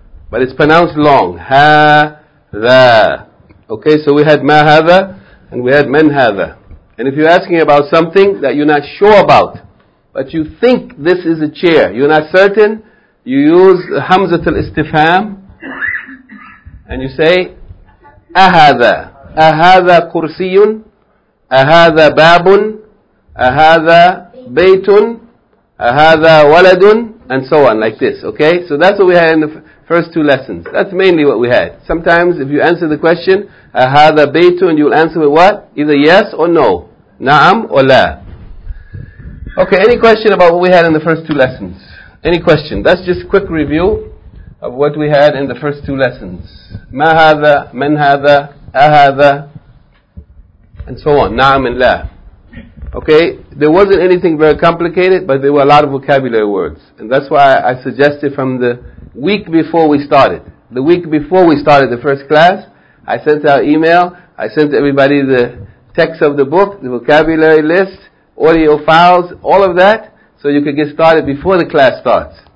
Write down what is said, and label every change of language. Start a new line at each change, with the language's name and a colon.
English: But it's pronounced long. Ha, tha. Okay, so we had ma hadha, and we had man hadha. And if you're asking about something that you're not sure about, but you think this is a chair, you're not certain, you use hamzatul istifham, and you say, ahadha.
Arabic: أهذا كرسي؟ أهذا باب؟ أهذا بيت؟ أهذا ولد؟
English: And so on, like this, okay? So that's what we had in the first two lessons. That's mainly what we had. Sometimes if you answer the question,
Arabic: أهذا بيت,
English: and you'll answer with what? Either yes or no. نعم or لا. Okay, any question about what we had in the first two lessons? Any question? That's just a quick review of what we had in the first two lessons.
Arabic: ما هذا, من هذا, أهذا,
English: and so on.
Arabic: نعم and لا.
English: Okay, there wasn't anything very complicated, but there were a lot of vocabulary words. And that's why I suggested from the week before we started, the week before we started the first class, I sent out email, I sent everybody the text of the book, the vocabulary list, audio files, all of that, so you could get started before the class starts.